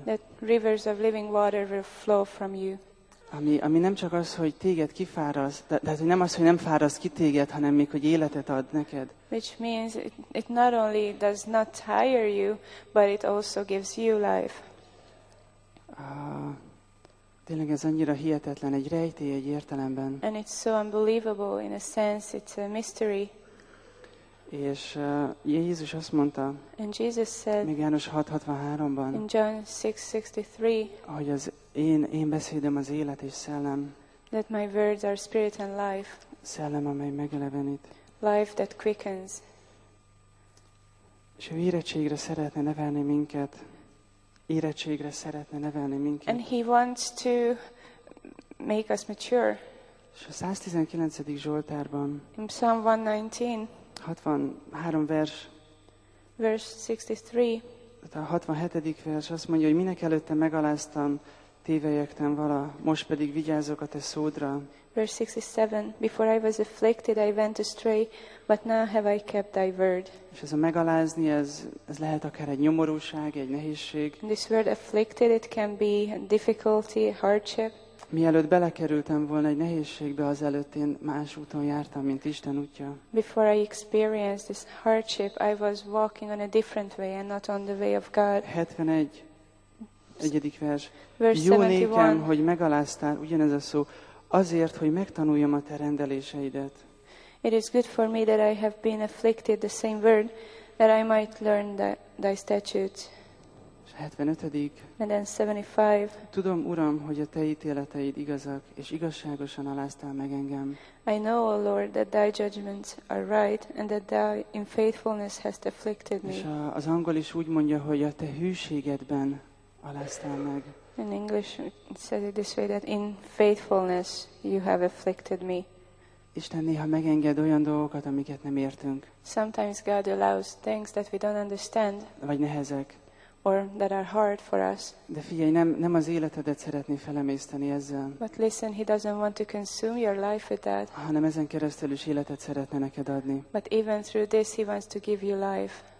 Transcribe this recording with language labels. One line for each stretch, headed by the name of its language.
English: That rivers of living water will flow from you.
Hungarian: Ami nem csak az, hogy téged kifáraszt, de hogy nem az, hogy nem fáraszt ki téged, hanem még, hogy életet ad neked.
English: Which means it not only does not tire you, but it also gives you life.
Hungarian: Tényleg ez annyira hihetetlen, egy rejtély egy értelemben.
English: And it's so unbelievable in a sense, it's a mystery.
Hungarian: És Jézus azt mondta,
English: and Jesus said,
Hungarian: még János 6:63-ban,
English: in John 6:63,
Hungarian: hogy az én beszédem az élet és szellem.
English: That my words are spirit and life.
Hungarian: Szellem, amely megelevenít.
English: Life that quickens.
Hungarian: És ő érettségre szeretne nevelni minket. Érettségre szeretne nevelni minket.
English: And he wants to make us mature.
Hungarian: És a 119. Zsoltárban,
English: in Psalm 119,
Hungarian: 63 vers,
English: verse 63,
Hungarian: a 67. vers azt mondja, hogy minek előtte megaláztam, tévelyektem vala, most pedig vigyázok a te szódra.
English: Verse 67, before I was afflicted, I went astray, but now have I kept thy word.
Hungarian: És ez a megalázni, ez lehet akár egy nyomorúság, egy nehézség.
English: This word afflicted, it can be difficulty, hardship.
Hungarian: Mielőtt belekerültem volna egy nehézségbe, azelőtt én más úton jártam, mint Isten útja.
English: Before I experienced this hardship, I was walking on a different way and not on the way of God.
Hungarian: 71. Egyedik vers.
English: Verse
Hungarian: jó nékem, hogy megaláztál, ugyanez a szó, azért, hogy megtanuljam a te rendeléseidet.
English: It is good for me that I have been afflicted, the same word, that I might learn thy statutes. 75. And then 75.
Hungarian: Tudom, Uram, hogy a te ítéleteid igazak, és igazságosan aláztál meg engem.
English: I know, O Lord, that thy judgments are right, and that thou in faithfulness hast afflicted me.
Hungarian: És az angol is úgy mondja, hogy a te hűségedben aláztál meg.
English: In English, it says it this way, that in faithfulness you have afflicted me.
Hungarian: Isten néha megenged olyan dolgokat, amiket nem értünk.
English: Sometimes God allows things that we don't understand.
Hungarian: Vagy nehezek.
English: Or that are hard for us.
Hungarian: De figyelj, nem az életedet szeretné felemészteni ezzel.
English: But listen, he doesn't want to consume your life with that.
Hungarian: Hanem ezen keresztül is életet szeretne neked adni.
English: But even through this he wants to give you life.